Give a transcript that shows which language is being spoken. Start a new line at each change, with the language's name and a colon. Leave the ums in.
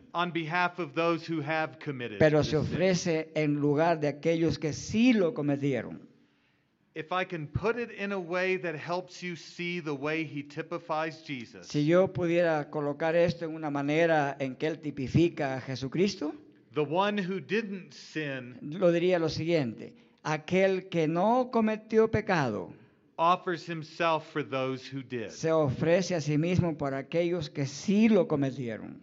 English: on of those who have pero
Spanish: se ofrece sin. en lugar de aquellos que sí lo cometieron.
English: If I can put it in a way that helps you see the way he typifies Jesus.
Spanish: Si yo pudiera colocar esto en una manera en que él tipifica a Jesucristo.
English: The one who didn't sin.
Spanish: Lo diría lo siguiente. Aquel que no cometió pecado.
English: Offers himself for those who did.
Spanish: Se ofrece a sí mismo para aquellos que sí lo cometieron.